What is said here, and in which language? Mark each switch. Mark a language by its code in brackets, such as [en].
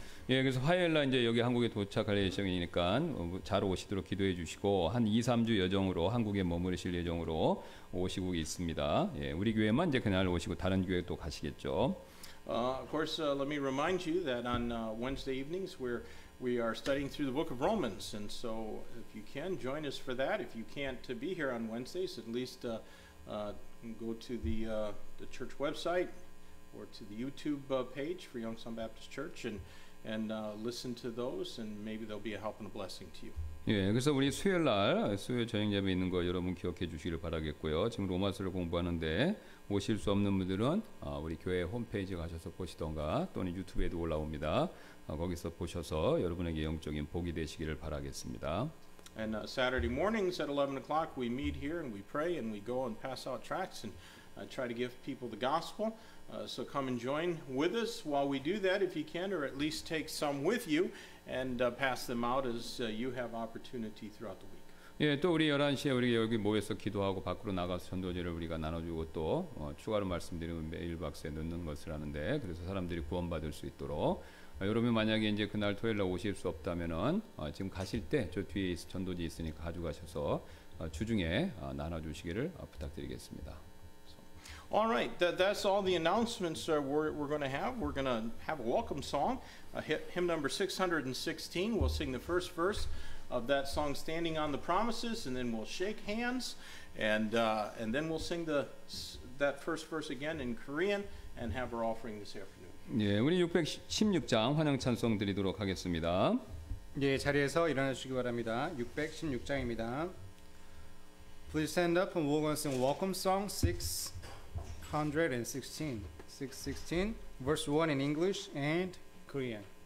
[ko] 예, 그래서 화요일 날 이제 여기 한국에 도착할 예정이니까 잘 오시도록 기도해 주시고 한 2-3주 여정으로 한국에 머무르실 예정으로 오시고 있습니다. 예, 우리 교회만 이제 그날 오시고 다른 교회도 가시겠죠. [en] Of course, let me remind you that on Wednesday evenings we are studying through the book of Romans, and so if you can join us for that, if you can't be here on Wednesdays, at least go to the church website. Or to the YouTube page for Yongsan Baptist Church and listen to those and maybe they'll be a help and a blessing to you. [ko] 예, 그래서 우리 수요일 날 수요일 저녁 예배 있는 거 여러분 기억해 주시기를 바라겠고요. 지금 로마서를 공부하는데 오실 수 없는 분들은 우리 교회 홈페이지 가셔서 보시던가 또는 유튜브에도 올라옵니다. 거기서 보셔서 여러분에게 영적인 복이 되시기를 바라겠습니다. [en] And Saturday mornings at 11 o'clock we meet here and we pray and we go and pass out tracts and try to give people the gospel. So come and join with us while we do that, if you can, or at least take some with you and pass them out as you have opportunity throughout the week. [ko] 예, 또 우리 11시에 우리 여기 모여서 기도하고 밖으로 나가서 전도지를 우리가 나눠주고 또 추가로 말씀드리면 메일박스에 넣는 것을 하는데 그래서 사람들이 구원받을 수 있도록 여러분 만약에 이제 그날 토요일 날 오실 수 없다면은 지금 가실 때 저 뒤에 전도지 있으니까 가져가셔서 주중에 나눠주시기를 부탁드리겠습니다. [en] All right, that's all the announcements we're going to have. We're going to have a welcome song, hymn number 616. We'll sing the first verse of that song, "Standing on the Promises," and then we'll shake hands, and then we'll sing that first verse again in Korean and have our offering this afternoon. [ko] 예, 우리 616장 환영 찬송 드리도록 하겠습니다. 예, 자리에서 일어나 주시기 바랍니다. 616장입니다. [en] Please stand up and we're going to sing welcome song 616, verse 1 in English and Korean.